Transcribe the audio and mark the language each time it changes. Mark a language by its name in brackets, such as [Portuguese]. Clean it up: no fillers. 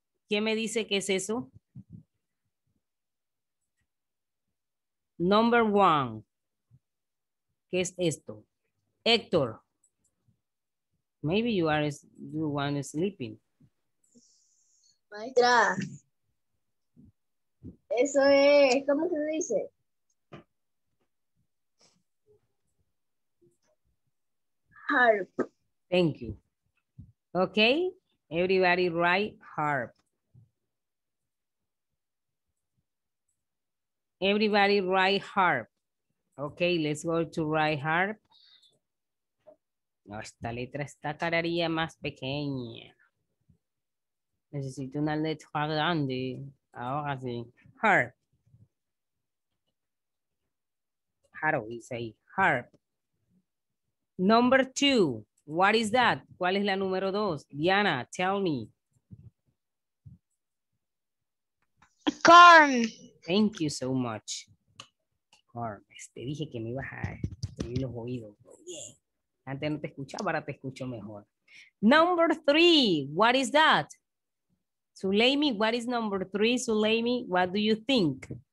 [Spanish] ¿Qué me dice que es eso? [English] Number one, [Spanish] ¿qué es esto? [English] Hector, maybe you are sleeping. [Spanish] Maestra, eso es, ¿cómo se dice? [English] Harp. Thank you. Okay, everybody write harp. Everybody write harp. Okay, let's go to write harp. [Spanish] Esta letra está cararía más pequeña. Necesito una letra grande. Ahora sí. Harp. [English] How do we say harp? Number two. What is that? [Spanish] ¿Cuál es la número dos? Diana, [English] tell me. Corn. Thank you so much. Corn. [Spanish] Te dije que me ibas a abrir los oídos. Bien. Antes no te escuchaba, ahora te escucho mejor. [English] Number three. What is that? Suleimi, what is number three? Suleimi, what do you think?